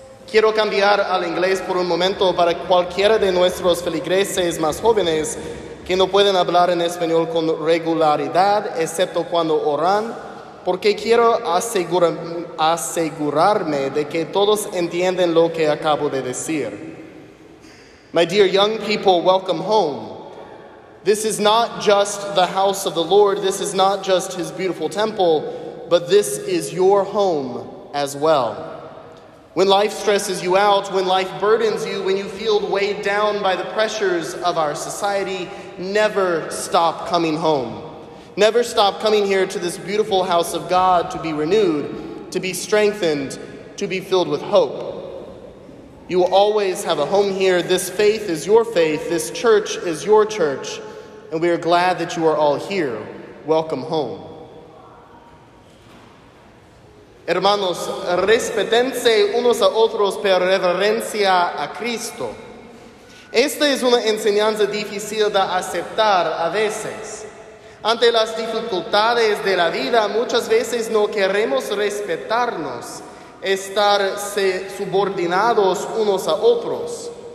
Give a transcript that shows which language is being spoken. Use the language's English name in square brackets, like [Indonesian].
[Spanish] Quiero cambiar al inglés por un momento para cualquiera de nuestros feligreses más jóvenes que no pueden hablar en español con regularidad, excepto cuando oran, porque quiero asegurarme de que todos entienden lo que acabo de decir. [English] My dear young people, welcome home. This is not just the house of the Lord, this is not just his beautiful temple, but this is your home as well. When life stresses you out, when life burdens you, when you feel weighed down by the pressures of our society, never stop coming home. Never stop coming here to this beautiful house of God to be renewed, to be strengthened, to be filled with hope. You will always have a home here. This faith is your faith. This church is your church. And we are glad that you are all here. Welcome home. [Spanish] Hermanos, respetense unos a otros por reverencia a Cristo. Esta es una enseñanza difícil de aceptar a veces. Ante las dificultades de la vida, muchas veces no queremos respetarnos, estar subordinados unos a otros.